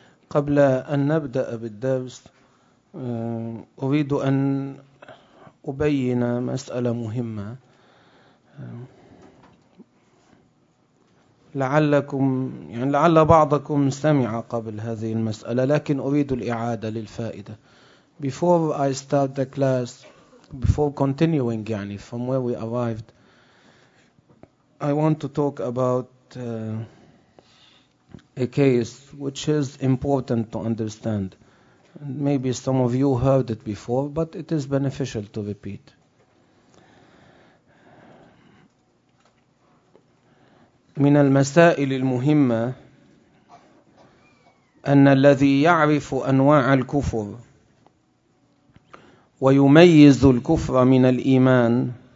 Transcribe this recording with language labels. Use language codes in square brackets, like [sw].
[ar] قبل أن نبدأ بالدرس أريد أن أبين مسألة مهمة لعلكم يعني لعل بعضكم سمع قبل هذه المسألة لكن أريد الإعادة للفائدة. [en] Before I start the class, before continuing [ar] يعني [en] from where we arrived, I want to talk about a case which is important to understand. Maybe some of you heard it before, but it is beneficial to repeat. [ar] من المسائل المهمة أن الذي يعرف أنواع الكفر ويميز الكفر من الإيمان